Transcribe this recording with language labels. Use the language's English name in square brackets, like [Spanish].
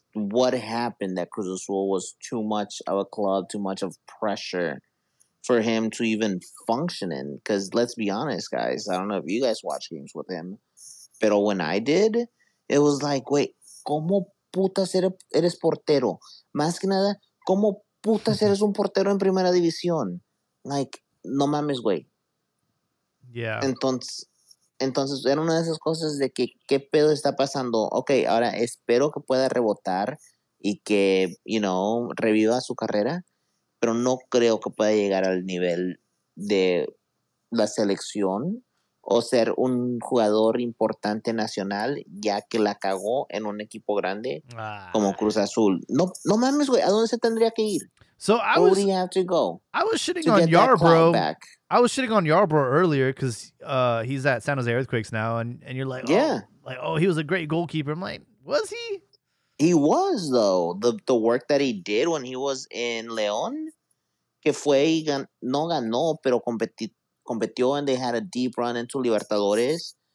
[English] what happened that Cruz Azul was too much of a club, too much of pressure for him to even function in. Because let's be honest, guys, I don't know if you guys watch games with him, but when I did, it was like, wait, [Spanish] ¿cómo putas eres portero? Más que nada, ¿cómo putas eres un portero en primera división? [English] Like, [Spanish] no mames, güey. [English] Yeah. [Spanish] Entonces, era una de esas cosas de que, ¿qué pedo está pasando? Ok, ahora espero que pueda rebotar y que, [English] you know, [Spanish] reviva su carrera, pero no creo que pueda llegar al nivel de la selección o ser un jugador importante nacional, ya que la cagó en un equipo grande como Cruz Azul. No, no mames, güey. ¿A dónde se tendría que ir? [English] So where do you have to go? I was shitting on Yarbrough. I was shitting on Yarbrough earlier because he's at San Jose Earthquakes now, and you're like, yeah. Oh, like, oh, he was a great goalkeeper. I'm like, was he? He was, though. The work that he did when he was in León, [Spanish] que fue y no ganó, pero competió, [English] and they had a deep run into Libertadores.